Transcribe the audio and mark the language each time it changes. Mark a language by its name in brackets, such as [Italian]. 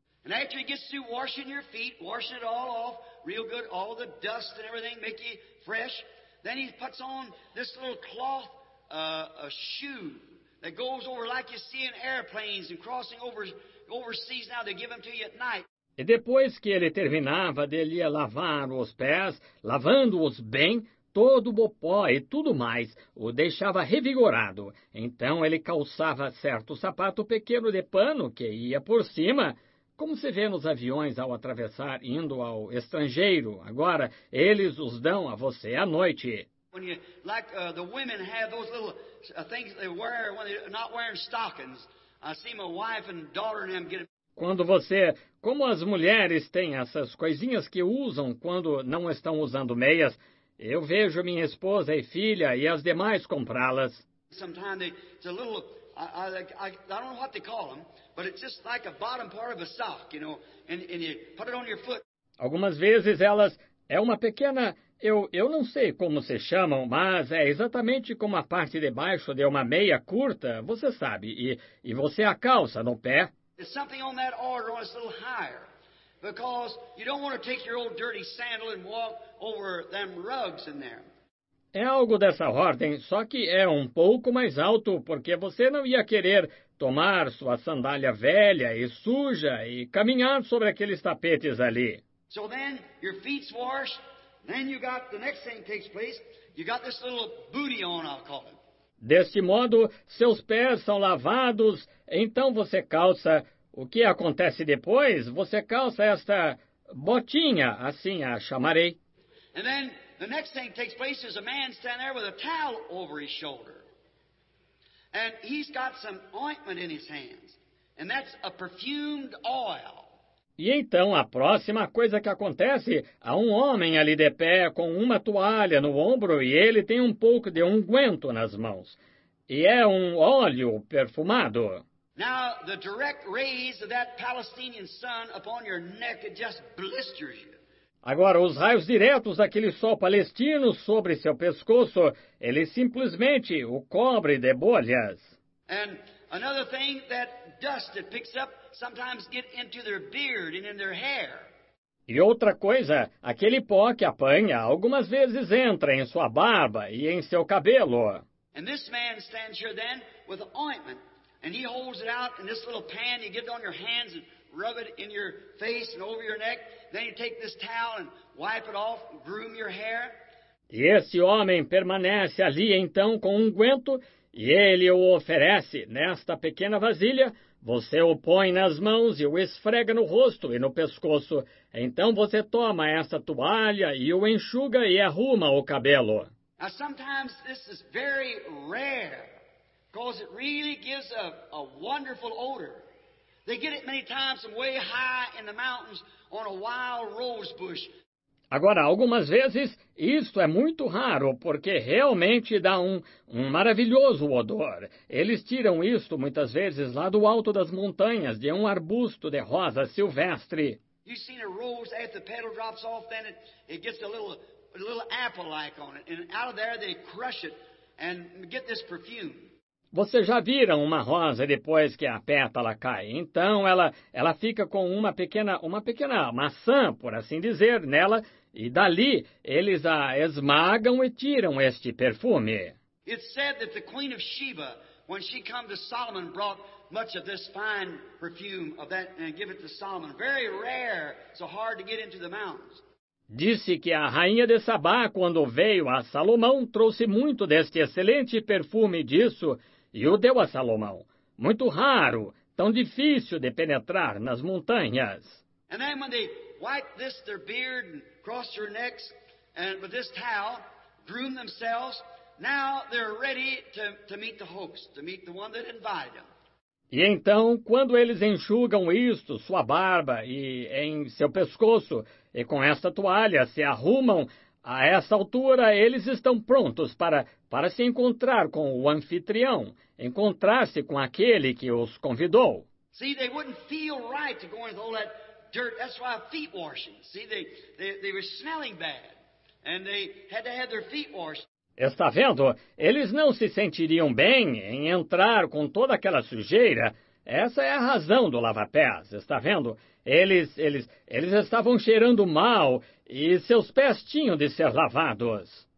[English] And after he gets to washing your feet, washing it all off, real good, all the dust and everything, make you fresh. Then he puts on this little cloth. A shoe that goes over like you see in airplanes and crossing overseas now, they give them to you at night. [Portuguese] E depois que ele terminava de lhe lavar os pés, lavando-os bem, todo o pó e tudo mais, o deixava revigorado. Então ele calçava certo sapato pequeno de pano que ia por cima, como se vê nos aviões ao atravessar indo ao estrangeiro. Agora, eles os dão a você à noite. [English] When you, like the women have those little things they wear when they're not wearing stockings. I see my wife and daughter and them get it. [Portuguese] Quando você, como as mulheres têm essas coisinhas que usam quando não estão usando meias, eu vejo minha esposa e filha e as demais comprá-las. [English] Sometimes it's a little, I don't know what they call them, but it's just like a bottom part of a sock, you know, and you put it on your foot. [Portuguese] Algumas vezes elas, é uma pequena... Eu não sei como se chamam, mas é exatamente como a parte de baixo de uma meia curta, você sabe, e você a calça no pé. [English] There's something on that order on a little higher, because you don't want to take your old dirty sandal and walk over them rugs in there. [Portuguese] É algo dessa ordem, só que é um pouco mais alto, porque você não ia querer tomar sua sandália velha e suja e caminhar sobre aqueles tapetes ali. [English] So then your feet's washed. Then you got the next thing takes place. You got this little booty on, I'll call it. [Portuguese] Deste modo, seus pés são lavados, então você calça. O que acontece depois? Você calça esta botinha, assim a chamarei. [English] And then the next thing takes place is a man standing there with a towel over his shoulder. And he's got some ointment in his hands. And that's a perfumed oil. [Portuguese] E então, a próxima coisa que acontece, há um homem ali de pé com uma toalha no ombro e ele tem um pouco de unguento nas mãos. E é um óleo perfumado. [English] Now, the direct rays of that Palestinian sun upon your neck, it just blisters you. [Portuguese] Agora, os raios diretos daquele sol palestino sobre seu pescoço, ele simplesmente o cobre de bolhas. [English] And another thing, that dust that picks up, sometimes get into their beard and in their hair. [Portuguese] E outra coisa, aquele pó que apanha algumas vezes entra em sua barba e em seu cabelo. [English] And this man stands here then with ointment, and he holds it out in this little pan. You get it on your hands and rub it in your face and over your neck. Then you take this towel and wipe it off, groom your hair. [Portuguese] E esse homem permanece ali então com um unguento, e ele o oferece nesta pequena vasilha. Você o põe nas mãos e o esfrega no rosto e no pescoço. Então você toma essa toalha e o enxuga e arruma o cabelo. [English] Now, sometimes this is very rare, because it really gives a wonderful odor. They get it many times from way high in the mountains on a wild rose bush. [Portuguese] Agora, algumas vezes, isto é muito raro, porque realmente dá um maravilhoso odor. Eles tiram isto, muitas vezes, lá do alto das montanhas, de um arbusto de rosa silvestre. [English] You've seen a rose, as the petal drops off, then it gets a little apple-like on it. And out of there, they crush it and get this perfume. [Portuguese] Você já vira uma rosa depois que a pétala cai. Então, ela fica com uma pequena maçã, por assim dizer, nela, e dali eles a esmagam e tiram este perfume. [English] It said that the Queen of Sheba, when she came to Solomon, brought much of this fine perfume of that and give it to Solomon. Very rare, so hard to get into the mountains. [Portuguese] Disse que a rainha de Sabá, quando veio a Salomão, trouxe muito deste excelente perfume disso e o deu a Salomão. Muito raro, tão difícil de penetrar nas montanhas. E aí, quando eles [English] wiped this their beard and crossed their necks and with this towel, groomed themselves, now they're ready to meet the host, to meet the one that invited them. [Portuguese] E então, quando eles enxugam isto, sua barba e em seu pescoço, e com esta toalha se arrumam, a essa altura eles estão prontos para se encontrar com o anfitrião, encontrar-se com aquele que os convidou. [English] See, they wouldn't feel right to go into all that dirt. That's why feet washing. See, they were smelling bad, and they had to have their feet washed. [Portuguese] Está vendo? Eles não se sentiriam bem em entrar com toda aquela sujeira. Essa é a razão do lava-pés, está vendo? Eles estavam cheirando mal e seus pés tinham de ser lavados.